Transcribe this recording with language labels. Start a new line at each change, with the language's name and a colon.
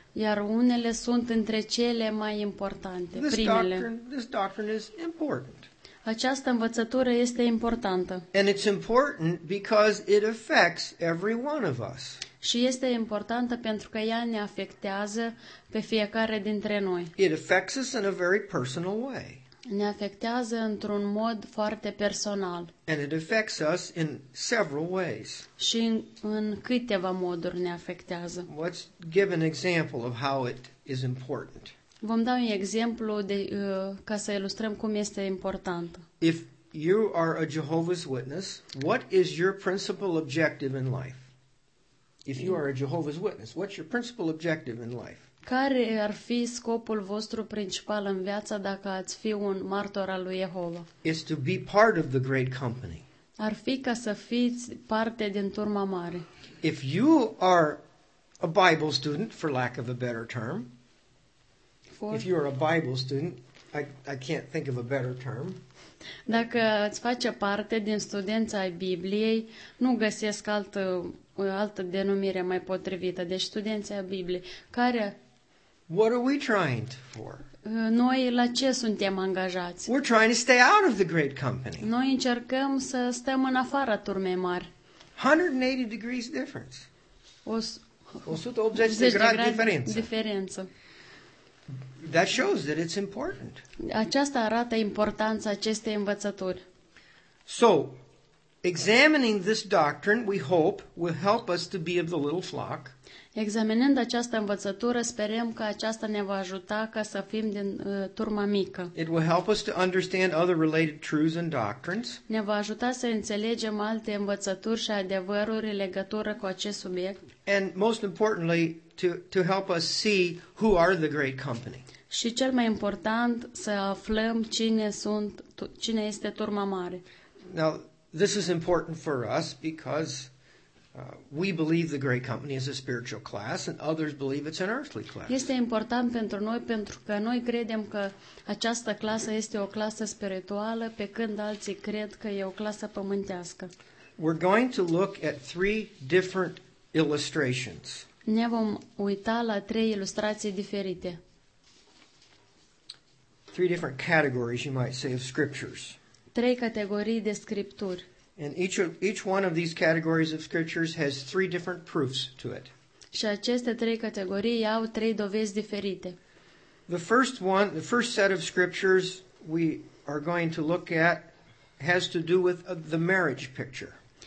Romanian: Iar unele sunt între cele mai importante, primele.
English: This doctrine is important.
Romanian: Această învățătură este importantă.
English: And it's important because it affects every one of us.
Romanian: Și este importantă pentru că ea ne afectează pe fiecare dintre noi.
English: It affects us in a very personal way.
Romanian: Ne afectează într-un mod foarte personal.
English: And it affects us in several ways.
Romanian: Și în câteva moduri ne afectează.
English: Let's give an example of how it is important.
Romanian: Vom da un exemplu de, ca să ilustrăm cum este important.
English: If you are a Jehovah's Witness, what is your principal objective in life? If you are a Jehovah's Witness, what's your principal objective in life?
Romanian: Care ar fi scopul vostru principal în viață dacă ați fi un martor al lui Jehova?
English: Is to be part of the great company.
Romanian: Ar fi ca să fiți parte din turma mare.
English: If you are a Bible student, for lack of a better term, if you are a Bible student, I can't think of a better term.
Romanian: Dacă ați face parte din studența ai Bibliei, nu găsesc altă denumire mai potrivită, deci studenții a Bibliei, care...
English: What are we trying for?
Romanian: Noi la ce suntem angajați?
English: We're trying to stay out of the great company.
Romanian: Noi încercăm să stăm în afara turmei mari.
English: 180 degrees difference.
Romanian: 180 de grade diferență.
English: That shows that it's important.
Romanian: Aceasta arată importanța acestei învățături.
English: So, Examining this doctrine, we hope, will help us to be of the little flock.
Romanian: Examinând această învățătură, sperăm că aceasta ne va ajuta ca să fim din turma mică.
English: It will help us to understand other related truths and doctrines.
Romanian: Ne va ajuta să înțelegem alte învățături și adevăruri în legătură cu acest subiect.
English: And most importantly, to help us see who are the great company.
Romanian: Și cel mai important, să aflăm cine este turma mare.
English: Now, this is important for us because we believe the great company is a spiritual class and others believe it's an earthly class.
Romanian: Este important pentru noi pentru că noi credem că această clasă este o clasă spirituală, pe când alții cred că e o clasă pământească.
English: We're going to look at three different illustrations.
Romanian: Ne vom uita la trei ilustrații diferite.
English: Three different categories, you might say, of scriptures.
Romanian: Trei categorii de scripturi.
English: And each one of these categories of scriptures has three different proofs to it.
Romanian: Și aceste trei categorii au trei dovezi diferite.
English: The first set of scriptures we are going to look at has to do with the marriage picture.